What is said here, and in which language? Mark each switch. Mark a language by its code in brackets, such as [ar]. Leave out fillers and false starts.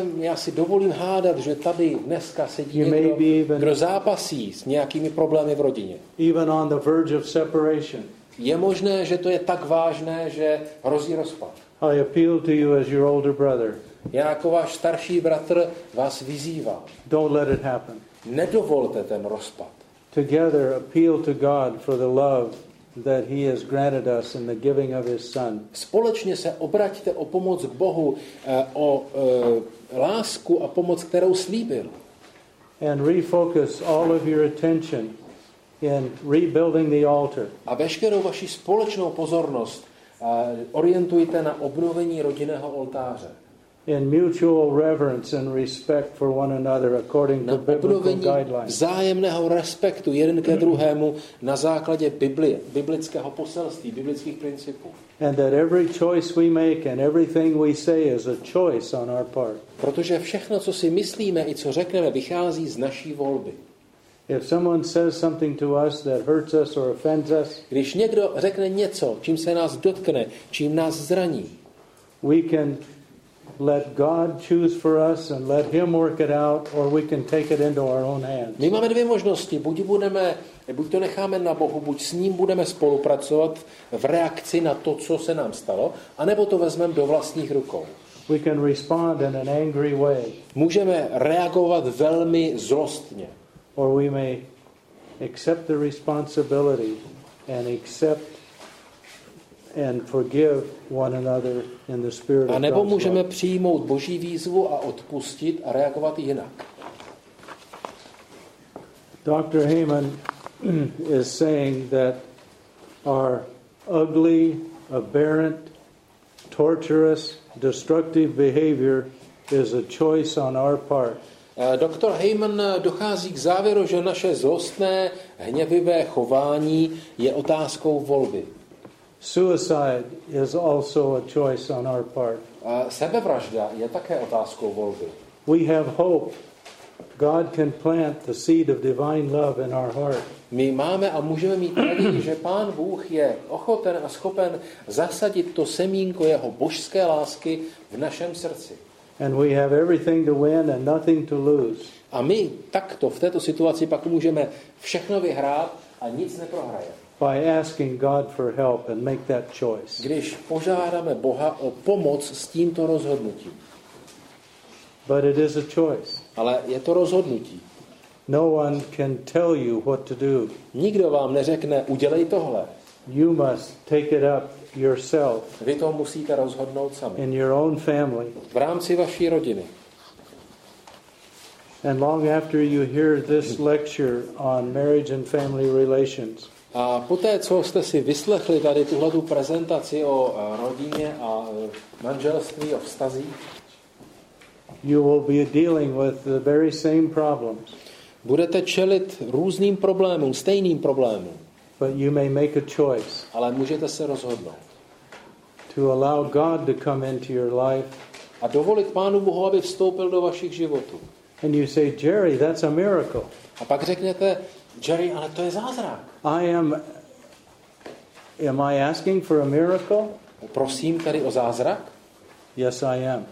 [cs] Já si dovolím hádat, že tady dneska sedí někdo, kdo zápasí s nějakými problémy v rodině. [en] Even on the verge of separation. [cs] Je možné, že to je tak vážné, že hrozí rozpad. [en] I appeal to you as your older brother. [cs] Já jako váš starší bratr vás vyzývám. [en] Don't let it happen. [cs] Nedovolte ten rozpad. [en] Together appeal to God for the love that he has granted us in the giving of his son. [cs] Společně se obraťte o pomoc k Bohu, o lásku a pomoc, kterou slíbil. [en] And refocus all of your attention in rebuilding the altar. [cs] A veškerou vaši společnou pozornost orientujte na obnovení rodinného oltáře. [en] In mutual reverence and respect for one another according to biblical guidelines. [cs] Vzájemného respektu jeden ke druhému na základě Biblie, biblického poselství, biblických principů. [en] And that every choice we make and everything we say is a choice on our part. [cs] Protože všechno, co si myslíme i co řekneme, vychází z naší volby. [en] If someone says something to us that hurts us or offends us, [cs] když někdo řekne něco, čím se nás dotkne, čím nás zraní, [en] we can let God choose for us and let him work it out, or we can take it into our own hands. [cs] My máme dvě možnosti. Buď to necháme na Bohu, buď s ním budeme spolupracovat v reakci na to, co se nám stalo, anebo to vezmeme do vlastních rukou. [en] We can respond in an angry way. [cs] Můžeme reagovat velmi zlostně. [en] Or we may accept the responsibility and accept and forgive one another in the spirit of God. [cs] A nebo můžeme přijmout Boží výzvu a odpustit a reagovat jinak. [en] Dr. Heyman is saying that our ugly, aberrant, torturous, destructive behavior is a choice on our part. [cs] Dr. Heyman dochází k závěru, že naše zlostné, hněvivé chování je otázkou volby. [en] Suicide is also a choice on our part. [cs] A sebevražda je také otázkou volby. [en] We have hope. God can plant the seed of divine love in our heart. [cs] My máme a můžeme mít naději, že Pán Bůh je ochoten a schopen zasadit to semínko jeho božské lásky v našem srdci. [en] And we have everything to win and nothing to lose. [cs] A my takto v této situaci pak můžeme všechno vyhrát a nic neprohrajeme. [en] By asking God for help and make that choice. [cs] Když požádáme Boha o pomoc s tímto rozhodnutím. [en] But it is a choice. [cs] Ale je to rozhodnutí. [en] No one can tell you what to do. [cs] Nikdo vám neřekne, udělej tohle. [en] You must take it up yourself. [cs] Vy to musíte rozhodnout sami. [en] In your own family. [cs] V rámci vaší rodiny. [en] And long after you hear this lecture on marriage and family relations. [cs] A poté, co jste si vyslechli tady tuhle tu prezentaci o rodině a manželství, o vztazích, [en] you will be dealing with the very same problems. [cs] Budete čelit různým problémům, stejným problémům. [en] But you may make a choice. [cs] Ale můžete se rozhodnout. [en] To allow God to come into your life. [cs] A dovolit Pánu Bohu, aby vstoupil do vašich životů. [en] And you say, Jerry, that's a miracle. [cs] A pak řeknete, Jerry, ale to je zázrak. [en] Am I asking for a miracle? [cs] Prosím tady o zázrak? [en] Yes, I am.